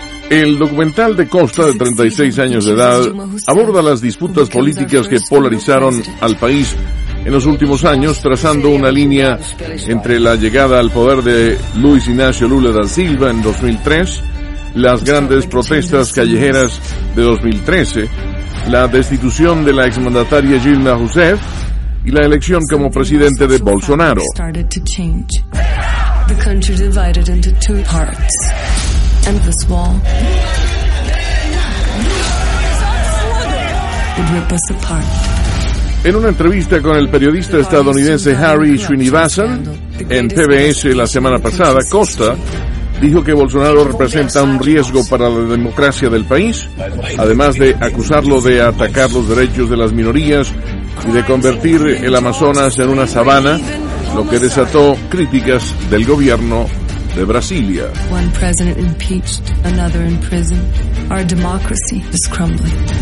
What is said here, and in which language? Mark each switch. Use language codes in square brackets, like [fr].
[es] El documental de Costa, de 36 años de edad, aborda las disputas políticas que polarizaron al país en los últimos años, trazando una línea entre la llegada al poder de Luis Inácio Lula da Silva en 2003, las grandes protestas callejeras de 2013, la destitución de la exmandataria Dilma Rousseff y la elección como presidente de Bolsonaro. [en] The country divided into two parts. And this wall would rip us apart. [es] En una entrevista con el periodista estadounidense Harry Srinivasan en PBS la semana pasada, Costa dijo que Bolsonaro representa un riesgo para la democracia del país, además de acusarlo de atacar los derechos de las minorías y de convertir el Amazonas en una sabana, lo que desató críticas del gobierno de Brasilia. [en] One president impeached, another in prison. Our democracy is crumbling.